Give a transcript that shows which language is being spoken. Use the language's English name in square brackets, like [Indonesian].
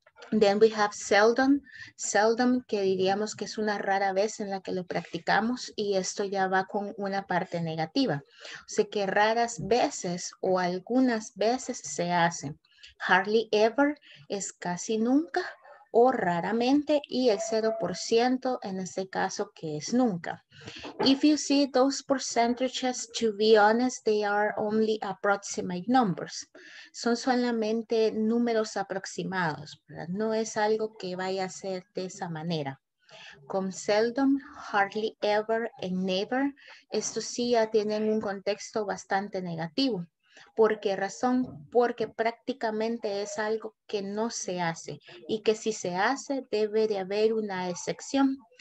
[English] Then we have seldom. [Spanish] Seldom, que diríamos que es una rara vez en la que lo practicamos y esto ya va con una parte negativa. O sea que raras veces o algunas veces se hace. Hardly ever es casi nunca o raramente, y el 0% en este caso, que es nunca. [English] If you see those percentages, to be honest, they are only approximate numbers. [Spanish] Son solamente números aproximados, ¿verdad? No es algo que vaya a ser de esa manera. Con seldom, hardly ever, and never, estos sí ya tienen un contexto bastante negativo. ¿Por qué razón? Porque prácticamente es algo que no se hace y que si se hace, debe de haber una excepción.